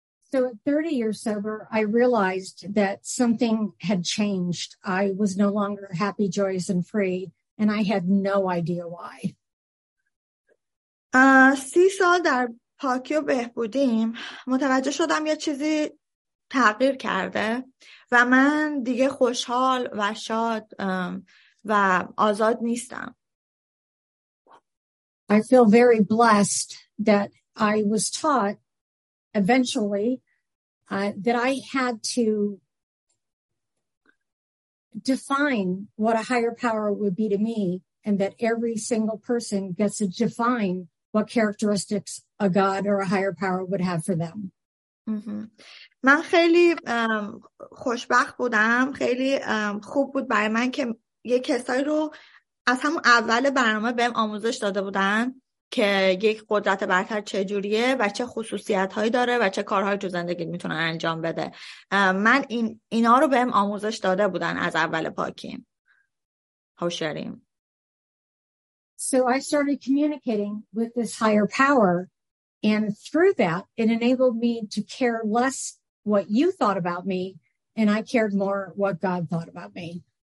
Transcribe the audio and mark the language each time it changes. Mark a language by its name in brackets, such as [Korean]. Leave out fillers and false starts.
[English] So at 30 years sober, I realized that something had changed. I was no longer happy, joyous, and free, and I had no idea why. [Persian] 30 سال در پاکی و بهبودیم متوجه شدم یه چیزی تغییر کرده و من دیگه خوشحال و شاد و آزاد نیستم. [English] I feel very blessed that I was taught eventually that I had to define what a higher power would be to me and that every single person gets to define what characteristics a God or a higher power would have for them. [Persian] من خیلی خوشبخت بودم، خیلی خوب بود برای من که یه کسایی رو از همون اول برنامه بهم آموزش داده بودن که یک قدرت برتر چه جوریه و چه خصوصیتهایی داره و چه کارهایی تو زندگی میتونه انجام بده. من اینا رو بهم آموزش داده بودن از اول پاکیم. هوشیاریم. [English] So I started communicating with this higher power, and through that it enabled me to care less what you thought about me, and I cared more what God thought about me.